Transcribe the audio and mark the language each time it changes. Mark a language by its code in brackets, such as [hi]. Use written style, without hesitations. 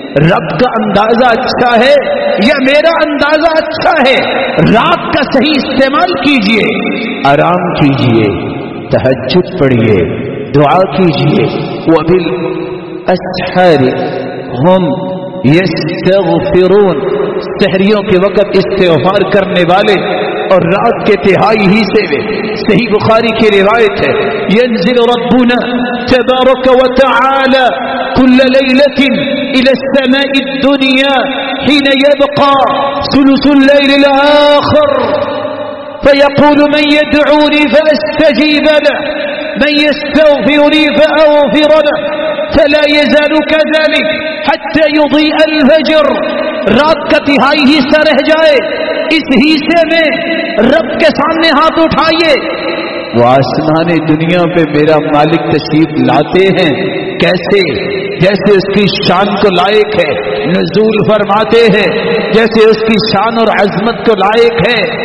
[ur] رب کا اندازہ اچھا ہے یا میرا اندازہ اچھا ہے؟ رات کا صحیح استعمال کیجئے, آرام کیجئے, تہجد پڑھیے, دعا کیجئے. [ar] وبل اسحار ہم یستغفرون, [ur] سحریوں کے وقت استغفار کرنے والے اور رات کے تہائی ہی سے لے. صحیح بخاری کی روایت ہے, [ar] ینزل ربنا تبارک و تعالی کل لیلت الى السماء الدنیا حين يبقى ثلث الليل الآخر فيقول من يدعوني فأستجيب له من يستغفر لي فأغفر له فلا يزال كذلك حتى يضيء الفجر. [ur] رات کا تہائی حصہ رہ جائے, اس حصے میں رب کے سامنے ہاتھ اٹھائیے, وہ آسمان دنیا پہ میرا مالک تشریف لاتے ہیں کیسے, جیسے اس کی شان کو لائق ہے نزول فرماتے ہیں, جیسے اس کی شان اور عظمت کو لائق ہے.